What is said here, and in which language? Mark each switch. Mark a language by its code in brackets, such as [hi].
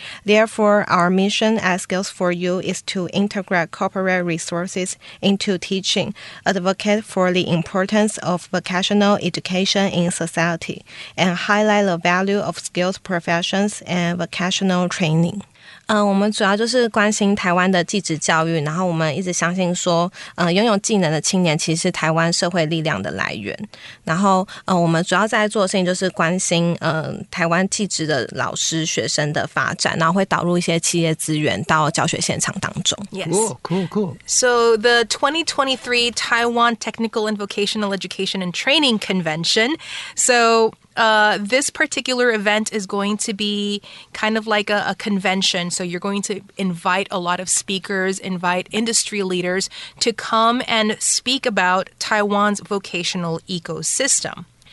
[en] Therefore, our mission at Skills for You is to integrate corporate resources into teaching, advocate for the importance of vocational education in society, and highlight the value of skilled professions and vocational training. [zh] 我们主要就是关心台湾的技职教育，然后我们一直相信说，拥有技能的青年其实是台湾社会力量的来源。然后，我们主要在做的事情就是关心，台湾技职的老师、学生的发展，然后会导入一些企业资源到教学现场当中。 [en] Yes, cool, cool, cool. So the 2023 Taiwan Technical and Vocational Education and Training Convention. So this particular event is going to be kind of like a convention. So you're going to invite a lot of speakers, invite industry leaders to come and speak about Taiwan's vocational ecosystem.